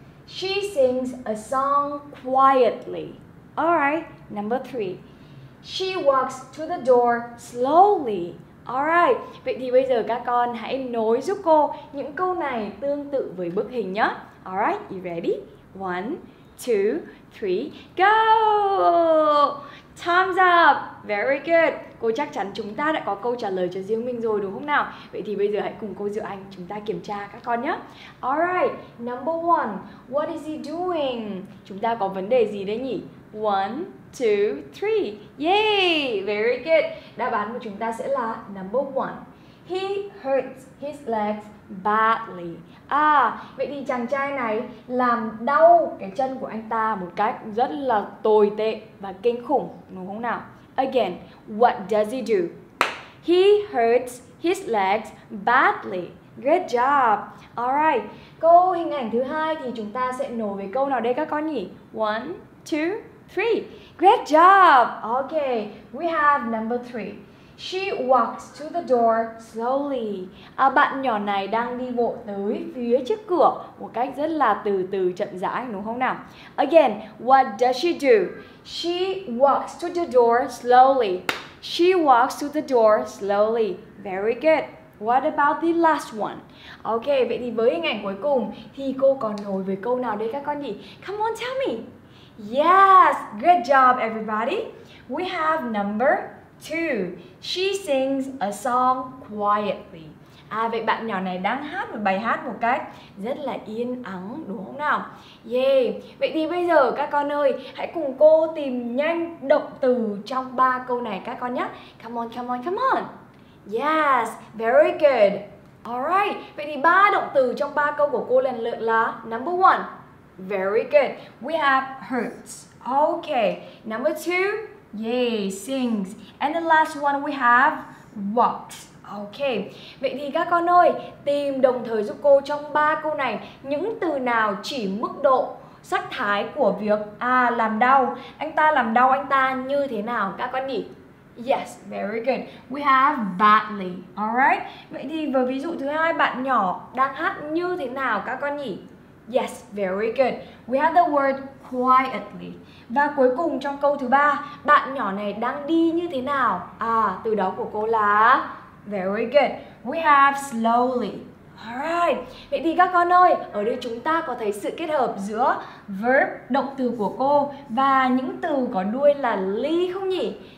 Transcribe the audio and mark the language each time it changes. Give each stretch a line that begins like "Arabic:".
English: She sings a song quietly. Alright, number three. She walks to the door slowly. Alright,
Vietnamese: vậy thì bây giờ các con hãy nối giúp cô những câu này tương tự với bức hình nhé.
English: Alright, you ready? One, two, three, go! Time's up! Very good!
Vietnamese: Cô chắc chắn chúng ta đã có câu trả lời cho riêng mình rồi đúng không nào? Vậy thì bây giờ hãy cùng cô Diệu Anh chúng ta kiểm tra các con nhé.
English: Alright, number one. What is he doing?
Vietnamese: Chúng ta có vấn đề gì đấy nhỉ?
English: One, two, three. Yay! Very good!
Vietnamese: Đáp án của chúng ta sẽ là
English: number one. He hurts his legs badly.
Vietnamese: À, vậy thì chàng trai này làm đau cái chân của anh ta một cách rất là tồi tệ và kinh khủng, đúng không nào?
English: Again, what does he do? He hurts his legs badly. Good job. Alright,
Vietnamese: câu hình ảnh thứ hai thì chúng ta sẽ nối với câu nào đây các con nhỉ?
English: One, two, three. Great job. Okay, we have number three. She walks to the door slowly.
Vietnamese: À, bạn nhỏ này đang đi bộ tới phía trước cửa một cách rất là từ từ chậm rãi đúng không nào?
English: Again, what does she do? She walks to the door slowly. She walks to the door slowly. Very good. What about the last one?
Vietnamese: Okay, vậy thì với hình ảnh cuối cùng thì cô còn nối với câu nào đây các con nhỉ?
English: Come on, tell me. Yes, good job everybody. We have number two. She sings a song quietly.
Vietnamese: À, vậy bạn nhỏ này đang hát một bài hát một cách rất là yên ắng đúng không nào? Yay! Vậy thì bây giờ các con ơi, hãy cùng cô tìm nhanh động từ trong ba câu này các con nhé.
English: Come on, come on, come on. Yes, very good. Alright,
Vietnamese: vậy thì ba động từ trong ba câu của cô lần lượt là
English: number one. Very good. We have hurts. Okay. Number two. Yay, sings. And the last one we have walks. Okay.
Vietnamese: Vậy thì các con ơi, tìm đồng thời giúp cô trong ba câu này những từ nào chỉ mức độ sắc thái của việc làm đau anh ta như thế nào các con nhỉ?
English: Yes, very good. We have badly. All right.
Vietnamese: Vậy thì với ví dụ thứ hai, bạn nhỏ đang hát như thế nào các con nhỉ?
English: Yes, very good. We have the word quietly.
Vietnamese: Và cuối cùng trong câu thứ ba, bạn nhỏ này đang đi như thế nào? À, từ đó của cô là
English: very good. We have slowly. Alright,
Vietnamese: vậy thì các con ơi, ở đây chúng ta có thấy sự kết hợp giữa verb, động từ của cô và những từ có đuôi là ly không nhỉ?